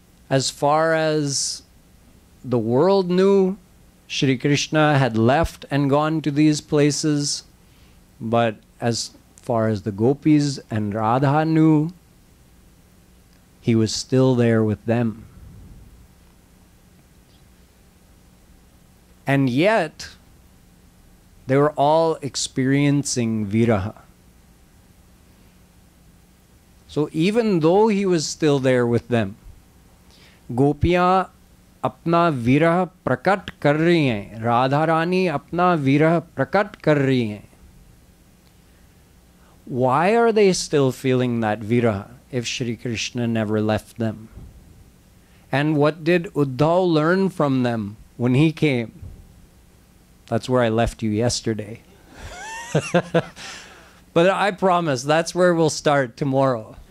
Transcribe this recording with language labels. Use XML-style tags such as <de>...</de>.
<en>As far as the world knew, Shri Krishna had left and gone to these places, but as far as the gopis and Radha knew, he was still there with them. And yet, they were all experiencing viraha. So even though he was still there with them,</en> <hi>गोपियाँ अपना विरह प्रकट कर रही हैं, राधा रानी अपना विरह प्रकट कर रही हैं।</hi> <en>Why are they still feeling that viraha if Shri Krishna never left them? And what did Uddhav learn from them when he came? That's where I left you yesterday. But I promise, that's where we'll start tomorrow.</en>